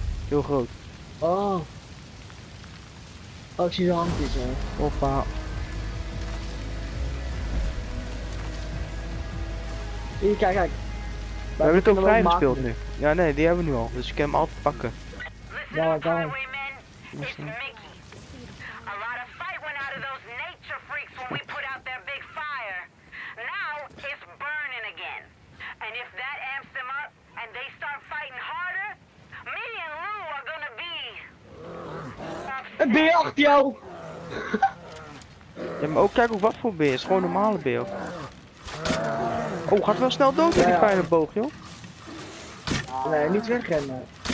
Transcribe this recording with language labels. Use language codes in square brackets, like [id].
[nl] Heel groot. Oh. Oh, ik zie zijn handjes, hè. Hoppa. Hier, kijk. We hebben het ook vrij gespeeld nu. Ja, nee, die hebben we nu al. Dus ik kan hem altijd pakken. Ja, daar. Het is Mickey. [en] A lot of fight went out of those nature freaks when we put out their big fire. Now, it's burning again. And if that amps them up, and they start fighting harder, me and Lou are gonna be... [nl] Een beer achter jou! Ja, maar ook kijk ook wat voor beer. Het is gewoon een normale beer. Oh, gaat wel snel dood met die pijn op boog, joh. Nee, niet wegrennen.